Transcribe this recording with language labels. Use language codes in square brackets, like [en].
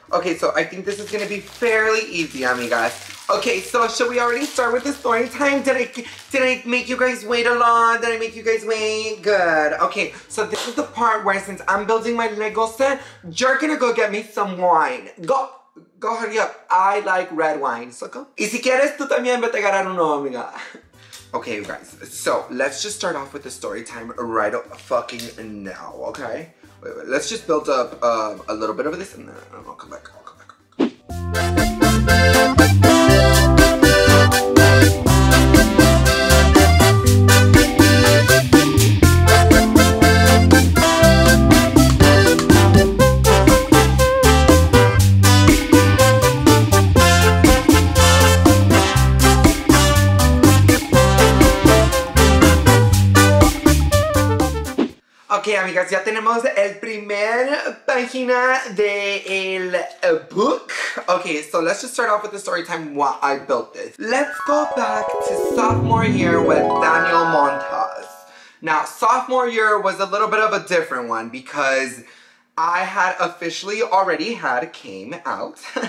[en] Okay, so I think this is gonna be fairly easy, amigas. Okay, so should we already start with the story time? Did I make you guys wait a lot? Did I make you guys wait? Good. Okay, so this is the part where since I'm building my Lego set, you're gonna go get me some wine. Go hurry up. I like red wine, so go. [es] Y si quieres, tú también vete a agarrar uno, amiga. [en] Okay, you guys. So let's just start off with the story time right fucking now, okay? Wait, let's just build up a little bit of this and then I'll come back. [es] Okay, amigas, ya tenemos el primer página de el book. [en] Okay, so let's just start off with the story time while I built this. Let's go back to sophomore year with Daniel Montas. Now, sophomore year was a little bit of a different one because I had officially already had came out.